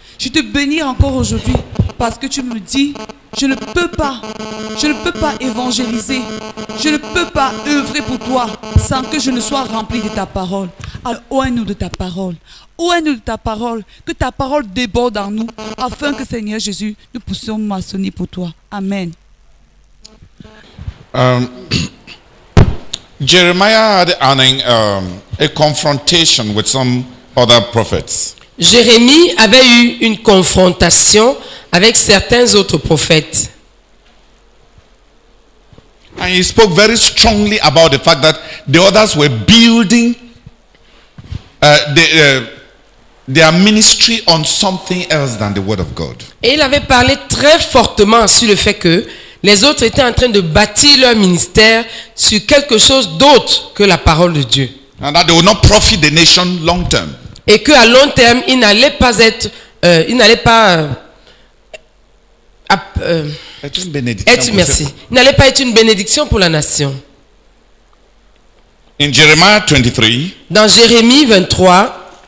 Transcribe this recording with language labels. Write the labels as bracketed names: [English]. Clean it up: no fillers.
[French] Je te bénis encore aujourd'hui parce que tu me dis, je ne peux pas évangéliser, je ne peux pas œuvrer pour toi sans que je ne sois rempli de ta parole. Alors, ouais-nous de ta parole. Ouais-nous de ta parole, que ta parole déborde en nous, afin que, Seigneur Jésus, nous puissions maçonner pour toi. Amen. [English] Jeremiah had a confrontation with some other prophets. [French] Jérémie avait eu une confrontation avec certains autres prophètes. [English] And he spoke very strongly about the fact that the others were building their ministry on something else than the word of God. [French] Et il avait parlé très fortement sur le fait que les autres étaient en train de bâtir leur ministère sur quelque chose d'autre que la parole de Dieu. [English] And that they will not profit the nation long term. [French] Et qu'à long terme, ils n'allaient pas être, être une bénédiction pour la nation. [English] In Jeremiah 23. [French] Dans Jérémie 23.